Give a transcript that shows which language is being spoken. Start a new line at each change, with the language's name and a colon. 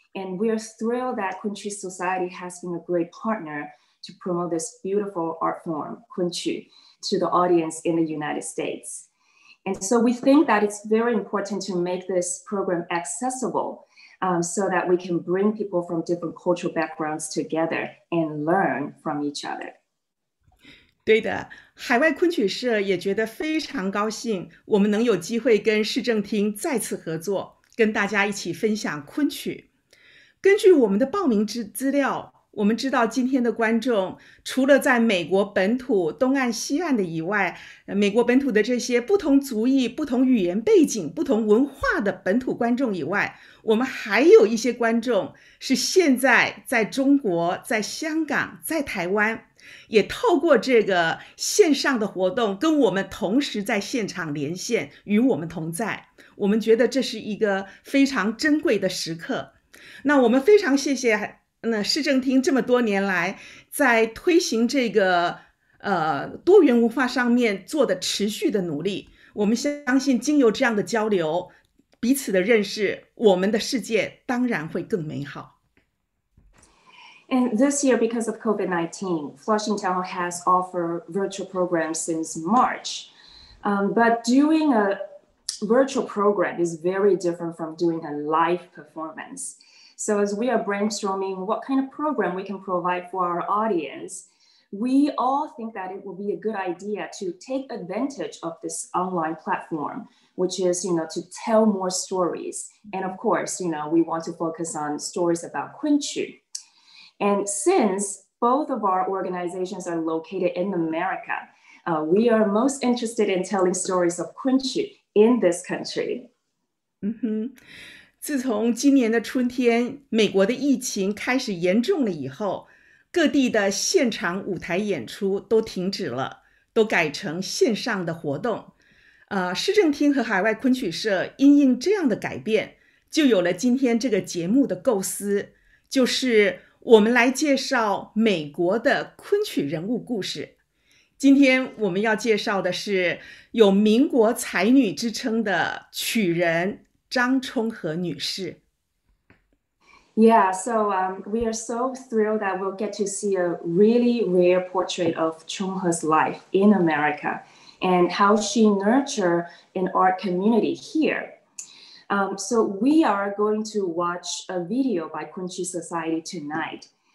English: And we are thrilled that Kunqu Society has been a great partner to promote this beautiful art form, Kunqu, to the audience in the United States. And so we think that it's very important to make this program accessible so that we can bring people from different cultural backgrounds together and learn from each other.
Chinese: 对的，海外昆曲社也觉得非常高兴，我们能有机会跟市政厅再次合作，跟大家一起分享昆曲。根据我们的报名资料，我们知道今天的观众除了在美国本土东岸西岸的以外，美国本土的这些不同族裔、不同语言背景、不同文化的本土观众以外，我们还有一些观众是现在在中国、在香港、在台湾，也透过这个线上的活动跟我们同时在现场连线，与我们同在。我们觉得这是一个非常珍贵的时刻。那我们非常谢谢那市政厅这么多年来在推行这个多元文化上面做的持续的努力。我们相信经由这样的交流，彼此的认识，我们的世界当然会更美好。
English: And this year, because of COVID-19, Flushing Town Hall has offered virtual programs since March. But doing a virtual program is very different from doing a live performance. So as we are brainstorming what kind of program we can provide for our audience, we all think that it would be a good idea to take advantage of this online platform, which is, you know, to tell more stories. And of course, you know, we want to focus on stories about Quinchu. And since both of our organizations are located in America, we are most interested in telling stories of Quinchu in this country.
Chinese: 自从今年的春天，美国的疫情开始严重了以后，各地的现场舞台演出都停止了，都改成线上的活动。市政厅和海外昆曲社因应这样的改变，就有了今天这个节目的构思，就是我们来介绍美国的昆曲人物故事。今天我们要介绍的是有民国才女之称的曲人张充和女士。
English: Yeah, so we are so thrilled that we'll get to see a really rare portrait of Chungha's life in America and how she nurtured an art community here. So we are going to watch a video by Quinchu Society tonight.